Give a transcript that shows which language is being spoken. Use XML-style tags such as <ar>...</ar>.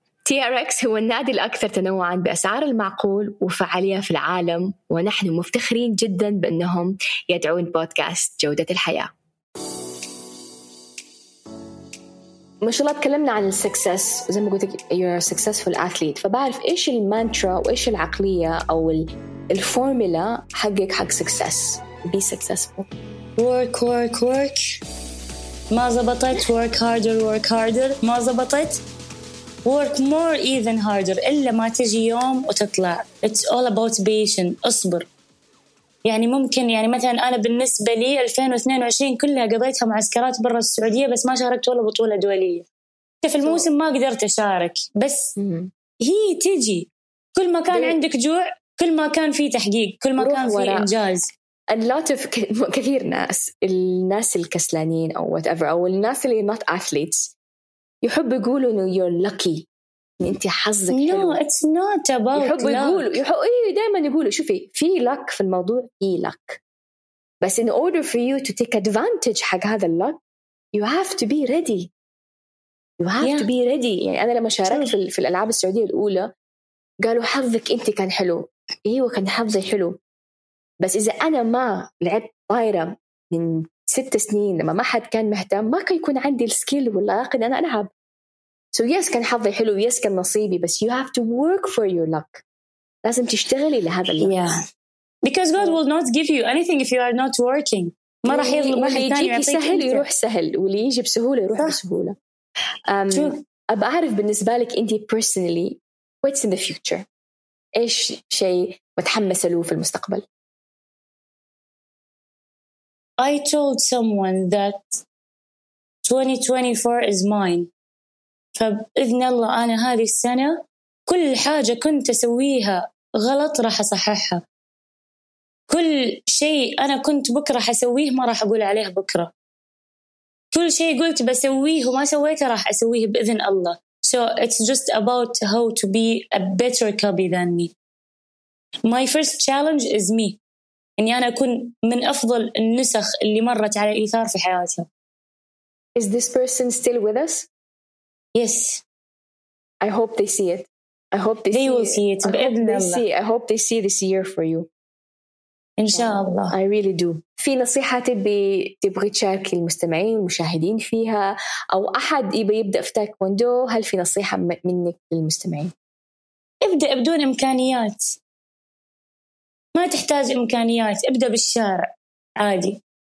<ar>TRX هو النادي الأكثر تنوعاً بأسعار المعقول وفعالية في العالم، ونحن مفتخرين جداً بأنهم يدعون بودكاست جودة الحياة. ما شاء الله تكلمنا عن السكسس، وزي ما قلت</ar> <en>you're a successful athlete،</en> <ar>فبعرف إيش المانترا وإيش العقلية أو الفورمولا حقك حق سكسس.</ar> <en>Be successful. Work work work.</en> <ar>ما زبطت</ar> <en>work harder work harder. ما زبطت work more even harder.</en> <ar>إلا ما تجي يوم وتطلع.</ar> <en>It's all about patience.</en> <ar>أصبر. يعني ممكن يعني مثلا أنا بالنسبة لي 2022 كلها قضيتها معسكرات برا السعودية، بس ما شاركت ولا بطولة دولية. في الموسم ما قدرت أشارك، بس هي تجي. كل ما كان عندك جوع، كل ما كان في تحقيق، كل ما كان في إنجاز.</ar> <en>A lot of</en> <ar>كثير ناس، الناس الكسلانين أو</ar> <en>whatever</en> <ar>أو الناس اللي</ar> <en>not athletes،</en> <ar>يحب يقولوا إنه</ar> <en>you're lucky،</en> <ar>أنت حظك حلو.</ar> <en>No, it's not about luck.</en> <ar>يحب يقولوا، دائما يقولوا شوفي في luck في الموضوع، في luck. بس</ar> <en>in order for you to take advantage</en> <ar>حق هذا</ar> <en>luck، you have to be ready. You have to be ready.</en> <ar>يعني أنا لما شاركت في الألعاب السعودية الأولى، قالوا حظك أنت كان حلو. إيوه كان حظي حلو. بس إذا أنا ما لعبت طايرة من 6 سنين لما ما حد كان مهتم، ما كان يكون عندي السكيل واللياقة أنا ألعب.</ar> <en>So yes</en> <ar>كان حظي حلو،</ar> <en>yes</en> <ar>كان نصيبي، بس</ar> <en>you have to work for your luck.</en> <ar>لازم تشتغلي لهذا اللي.</ar> <en>Yeah. Because God will not give you anything if you are not working.</en> <ar>ما راح يظلم واحد ثاني يعطيك. يجي سهل يروح سهل، واللي يجي بسهولة يروح بسهولة. أبغى أعرف بالنسبة لك أنت</ar> <en>personally what's in the future.</en> <ar>إيش شيء متحمس له في المستقبل؟</ar> <en>I told someone that 2024 is mine.</en> <ar>فبإذن الله أنا هذه السنة كل حاجة كنت أسويها غلط راح أصححها. كل شيء أنا كنت بكرة حسويه ما راح أقول عليه بكرة. كل شيء قلت بسويه وما سويته راح أسويه بإذن الله.</ar> <en>So it's just about how to be a better copy than me. My first challenge is me.</en> <ar>إني أنا أكون من أفضل النسخ اللي مرت على إيثار في حياتها.</ar> <en>Is this person still with us? Yes. I hope they see it. I hope they see it. Will see it.</en> <ar>بإذن الله.</ar> <en>I hope they see this year for you.</en> <ar>إن شاء الله.</ar> <en>I really do.</en> <ar>في نصيحة تبغي تشارك المستمعين والمشاهدين فيها، أو أحد يبدأ في تايكوندو، هل في نصيحة منك للمستمعين؟ ابدأ بدون إمكانيات. ما تحتاج إمكانيات، ابدأ بالشارع عادي.</ar>